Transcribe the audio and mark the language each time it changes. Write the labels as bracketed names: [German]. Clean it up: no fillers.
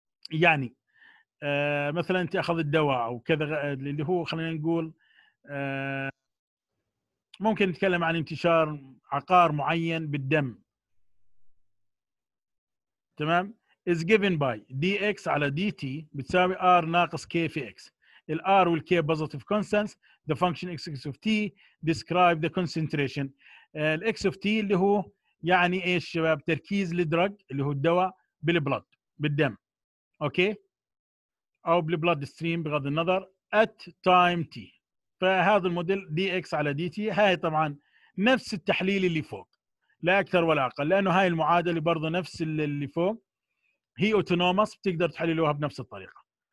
[Arabic] يعني مثلا انت اخذ الدواء او كذا اللي هو خلينا نقول ممكن نتكلم عن انتشار عقار معين بالدم، تمام، [English] is given by dx [Arabic] على dt بتساوي r ناقص k في x. ال r وال k positive constants. [English] the function x of t describe the concentration. [Arabic] ال x of t اللي هو يعني ايش شباب؟ تركيز للدرج اللي هو الدواء بالبلد بالدم. اوكي، أو بالبلد ستريم بغض النظر [English] at time t. [Arabic] فهذا الموديل dx على dt، هاي طبعا نفس التحليل اللي فوق لا أكثر ولا أقل، لأنه هاي المعادلة برضو نفس اللي فوق، هي autonomous بتقدر تحللوها بنفس الطريقة.